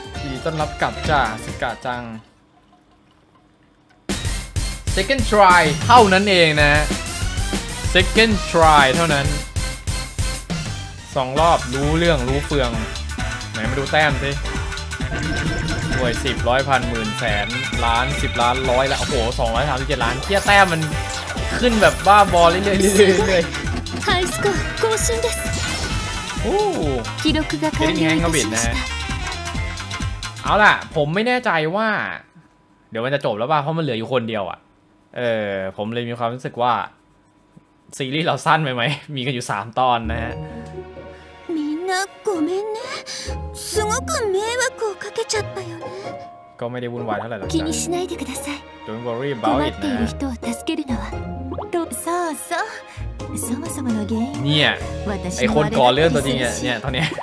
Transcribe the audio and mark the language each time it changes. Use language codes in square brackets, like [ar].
[th] ยินดีต้อนรับกลับจ้าอาสึกะจัง [en] Second try [th] เท่านั้นเองนะ Second try เท่านั้น2รอบรู้เรื่องรู้เฟืองไหนมาดูแต้มสิรวย10 100 พัน 10,000 แสนล้าน10ล้าน100แล้วโอ้โห237ล้านเที่ยแต้มมันขึ้นแบบบ้าบอเรื่อยๆเลย [ja] ทายสกอร์更新です โอ้記録が完了しました。 [th] เอาล่ะผมไม่แน่ใจว่าเดี๋ยวมันจะจบแล้วป่ะเพราะมันเหลืออยู่คนเดียวอ่ะเออผมเลยมีความรู้สึกว่าซีรีส์เราสั้นไปมั้ยมีกันอยู่3ตอนนะฮะ [ja] ごめんね。すごく迷惑をかけちゃったよね。ごめんね。ごめんね。気にしないでください。 [en] Don't worry about it. [ja] 困っている人を助けるのは。そうそう。そもそもの原因は。ねえ。私のあれだったりするし。ねえ。ねえ。とね。